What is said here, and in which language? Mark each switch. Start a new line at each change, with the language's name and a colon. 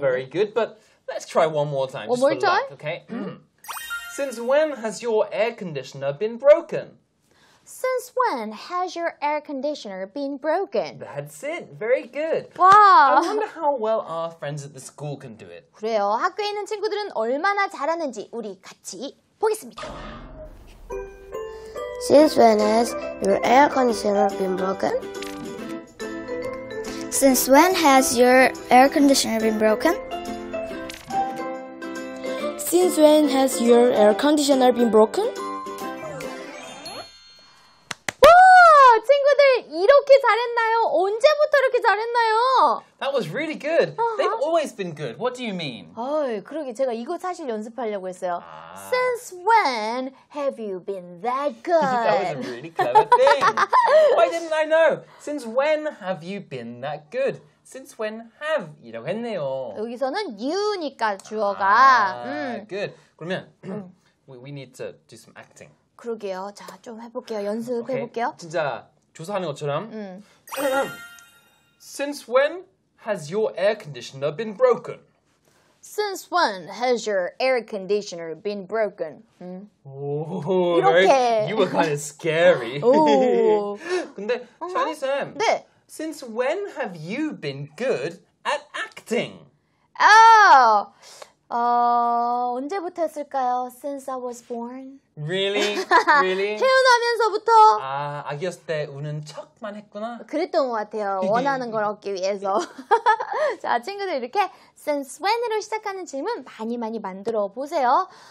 English: Very good, but let's try one more time. One more time? Okay. Since when has your air conditioner been broken? Since when has your air conditioner been broken? That's it. Very good. Wow. I wonder how well our friends at the school can do it.
Korean: 그래요. 학교에 있는 친구들은 얼마나 잘하는지 우리 같이 보겠습니다.
English: Since when has your air conditioner been broken? Since when has your air conditioner been broken? Since when has your air conditioner been broken?
Korean: 와, 친구들 이렇게 잘했나요? 언제부터 이렇게 잘했나요?
English: That was really good. They've always been good. What do you mean?
Korean: 그러게 제가 이거 사실 연습하려고 했어요.
English: Since when have you been that good? That was a really clever thing. Why didn't I know? Since when have you been that good? Since when have
Korean: 이라고 했네요. 여기서는 you니까 주어가.
English: Good.
Korean: 그러면
English: we need to do some acting.
Korean: 그러게요. 자, 좀 해볼게요. 연습해볼게요. Okay. 진짜 조사하는 것처럼.
English: Since when has your air conditioner been broken? Since when has your air conditioner been broken? Hmm? Oh,
Korean: 이렇게.
English: Right? You were kind of scary. Oh.
Korean: 근데 샤니쌤, 네.
English: Since when have you been good at acting?
Korean: Oh, 언제부터 했을까요?
English: Since I was born. Really? Really?
Korean: 태어나면서부터? 아, 아기였을 때 우는 척만 했구나? 그랬던 것 같아요. 원하는 걸 얻기 위해서. 자, 친구들 이렇게 since when으로 시작하는 질문 많이 많이 만들어 보세요.